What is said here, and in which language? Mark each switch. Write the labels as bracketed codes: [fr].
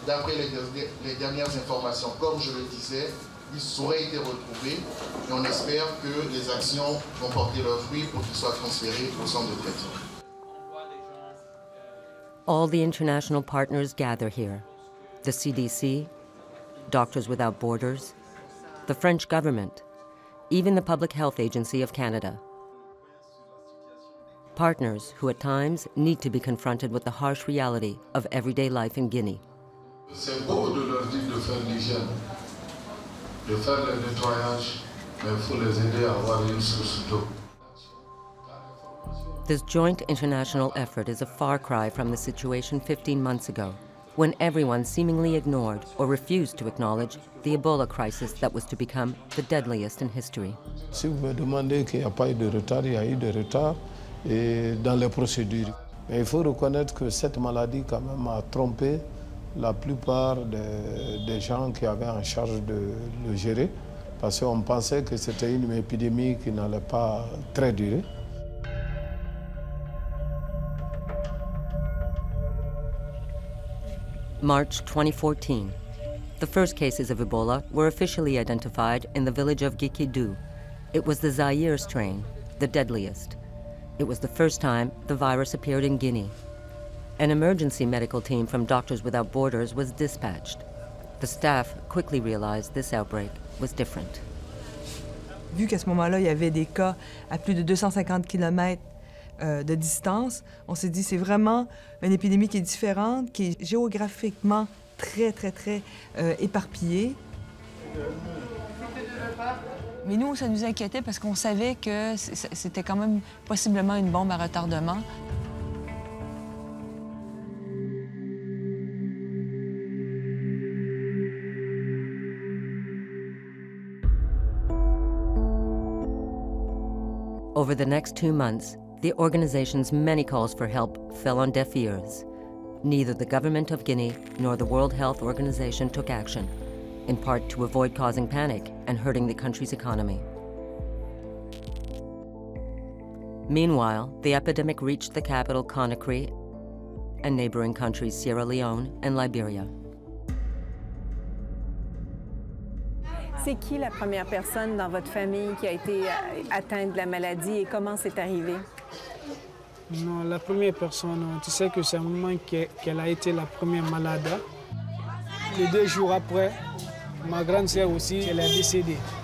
[fr] D'après les dernières informations, comme je le disais, ils auraient été retrouvés. Et on espère que les actions vont porter leurs fruits pour qu'ils soient transférés au centre de traitement. [en] All the international partners gather here. The CDC, Doctors Without Borders, the French government, even the Public Health Agency of Canada. Partners who at times need to be confronted with the harsh reality of everyday life in Guinea. It's beautiful to [fr] leur dire de faire l'hygiène, de faire le nettoyage, mais il faut les aider à avoir une source d'eau. [en] This joint international effort is a far cry from the situation 15 months ago, when everyone seemingly ignored or refused to acknowledge the Ebola crisis that was to become the deadliest in history. [fr] Si vous me demandez qu'il n'y a pas eu de retard, il y a eu de retard dans les procédures. Mais il faut reconnaître que cette maladie quand même a trompé la plupart des gens qui avaient en charge de le gérer, parce qu'on pensait que c'était une épidémie qui n'allait pas très durer. [en] March 2014. The first cases of Ebola were officially identified in the village of Gikidou. It was the Zaire strain, the deadliest. It was the first time the virus appeared in Guinea. An emergency medical team from Doctors Without Borders was dispatched. The staff quickly realized this outbreak was different. [fr] Vu qu'à ce moment-là, il y avait des cas à plus de 250 km de distance, on s'est dit c'est vraiment une épidémie qui est différente, qui est géographiquement très, très, très éparpillée. Mais nous, ça nous inquiétait parce qu'on savait que c'était quand même possiblement une bombe à retardement. [en] Over the next 2 months, the organization's many calls for help fell on deaf ears. Neither the government of Guinea nor the World Health Organization took action, in part to avoid causing panic and hurting the country's economy. Meanwhile, the epidemic reached the capital, Conakry, and neighboring countries, Sierra Leone and Liberia. [fr] C'est qui la première personne dans votre famille qui a été atteinte de la maladie et comment c'est arrivé? Non, la première personne, tu sais que c'est un moment qu'elle a été la première malade. Les deux jours après, ma grande sœur aussi, elle est décédée.